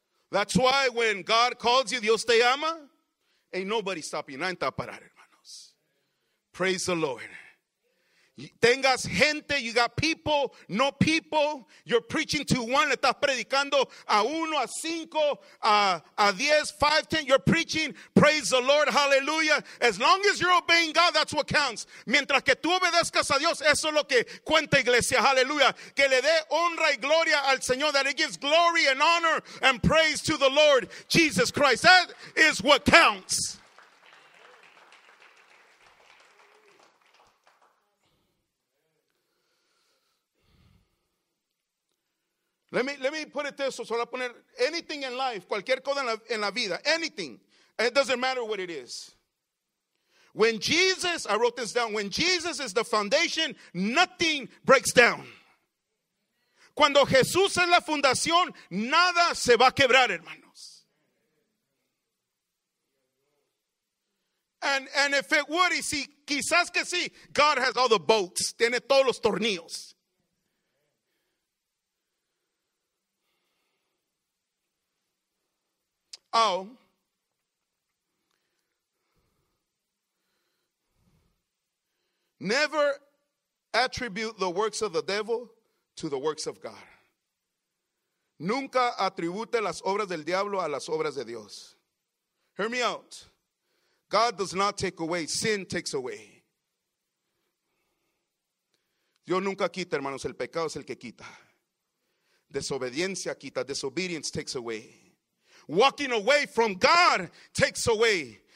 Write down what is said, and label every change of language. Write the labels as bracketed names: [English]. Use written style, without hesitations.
[English] That's why when God calls you, [Spanish] Dios te ama, [English] ain't nobody stopping, [Spanish] nadie te va a parar. [English] Praise the Lord. [Spanish] Tengas gente, [English] you got people, no people. You're preaching to one, [Spanish] le estás predicando a uno, a cinco, a diez, [English] five, ten. You're preaching, praise the Lord, hallelujah. As long as you're obeying God, that's what counts. [Spanish] Mientras que tú obedezcas a Dios, eso es lo que cuenta, iglesia, hallelujah. Que le dé honra y gloria al Señor, [English] that it gives glory and honor and praise to the Lord Jesus Christ. That is what counts. Let me put it this way. So I'll put it, anything in life, [Spanish] cualquier cosa en la vida, [English] anything. It doesn't matter what it is. When Jesus, I wrote this down, when Jesus is the foundation, nothing breaks down. [Spanish] Cuando Jesús es la fundación, nada se va a quebrar, hermanos. [English] And if it would, [Spanish] y si, quizás que sí, [English] God has all the bolts, [Spanish] tiene todos los tornillos. [English] Oh, never attribute the works of the devil to the works of God. [Spanish] Nunca atribute las obras del diablo a las obras de Dios. [English] Hear me out. God does not take away, sin takes away. [Spanish] Dios nunca quita, hermanos, el pecado es el que quita. Desobediencia quita, [English] disobedience takes away. walking away from God takes away.